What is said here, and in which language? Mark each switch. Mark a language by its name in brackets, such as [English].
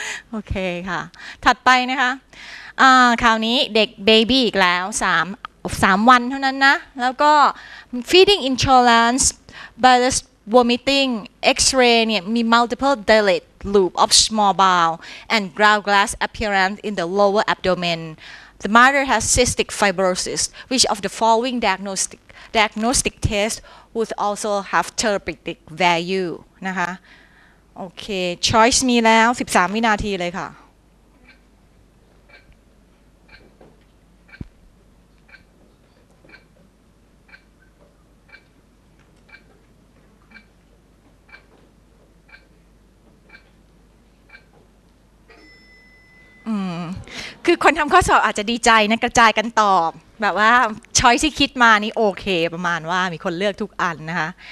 [Thai] โอเคค่ะถัดไปนะคะคราวนี้เด็กเบบี้อีกแล้ว3วันเท่านั้นนะแล้วก็ feeding intolerance bilious vomiting x-ray เนี่ยมี [English] multiple dilatedloop of small bowel and ground glass appearance in the lower abdomen. The mother has cystic fibrosis. Which of the following diagnostic test would also have therapeutic value? [Thai] นะคะโอเค choice มีแล้ว13วินาทีเลยค่ะคือคนทำข้อสอบอาจจะดีใจนะกระจายกันตอบแบบว่าช้อยที่คิดมานี่โอเคประมาณว่ามีคนเลือกทุกอันนะคะ